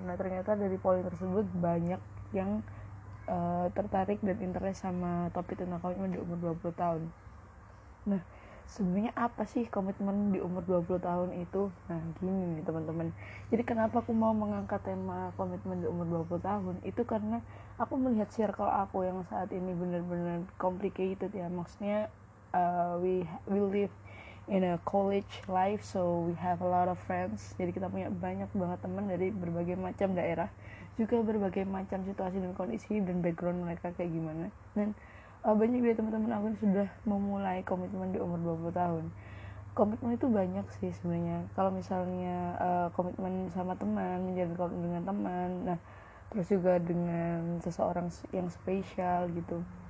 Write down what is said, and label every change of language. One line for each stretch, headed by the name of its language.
Indonesian: Nah, ternyata dari polling tersebut banyak yang tertarik dan interest sama topik tentang komitmen di umur 20 tahun. Nah, sebenarnya apa sih komitmen di umur 20 tahun itu? Nah, gini nih teman-teman. Jadi kenapa aku mau mengangkat tema komitmen di umur 20 tahun? Itu karena aku melihat circle aku yang saat ini benar-benar complicated ya. Maksudnya
English: we live in a college life, so we have a lot of friends.
Indonesian: Jadi kita punya banyak banget teman dari berbagai macam daerah, juga berbagai macam situasi dan kondisi dan background mereka kayak gimana. Dan banyak dari teman-teman aku yang sudah memulai komitmen di umur 20 tahun. Komitmen itu banyak sih sebenarnya. Kalau misalnya komitmen sama teman, menjalin komitmen dengan teman, nah terus juga dengan seseorang yang spesial gitu.